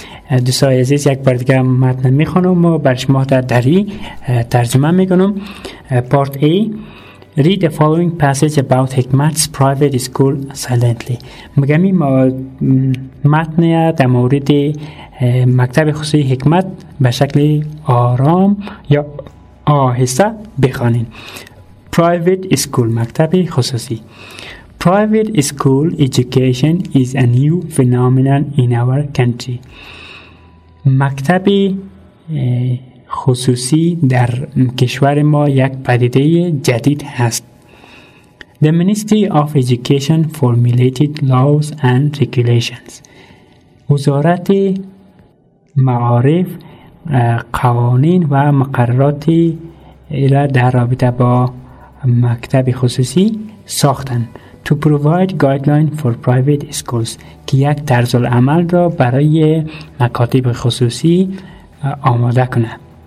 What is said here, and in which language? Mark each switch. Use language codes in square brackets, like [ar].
[fa] دوستای عزیز یک بار دیگر متن میخونم و بر شما در دری ترجمه میکنم. [en] Part A. Read the following passage about Hikmat's private school silently. [fa] مگم این متن در مورد مکتب خصوصی حکمت به شکل آرام یا آهسته بخونین. [en] Private school, [fa] مکتب خصوصی. [en] Private school education is a new phenomenon in our country. [fa] مکتبی خصوصی در کشور ما یک پدیده جدید هست. [en] The Ministry of Education formulated laws and regulations. [fa] وزارت معارف قوانین و مقرراتی را در رابطه با مکتب خصوصی ساختند. [en] To provide guidelines for private schools. [fa] که یک طرز العمل را برای مکاتب خصوصی آماده کند.